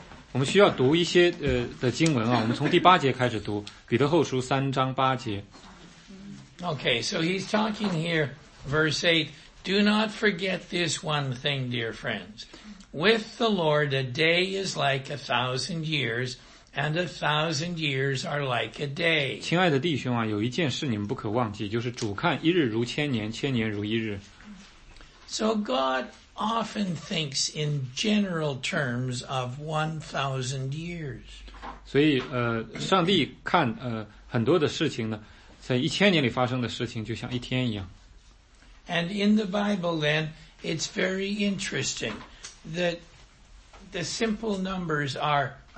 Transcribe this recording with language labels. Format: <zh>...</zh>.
<zh>我们需要读一些的经文啊，我们从第八节开始读，彼得后书三章八节。</zh> <en>Okay, so he's talking here, verse 8, do not forget this one thing, dear friends. With the Lord, a day is like 1,000 years, and 1,000 years are like a day.</en> <zh>亲爱的弟兄啊，有一件事你们不可忘记，就是主看一日如千年，千年如一日。</zh> <en>So God often thinks in general terms of 1,000 years.</en> <zh>所以上帝看很多的事情呢，在一千年里发生的事情就像一天一样。</zh> <en>And in the Bible then, it's very interesting that the simple numbers are</en>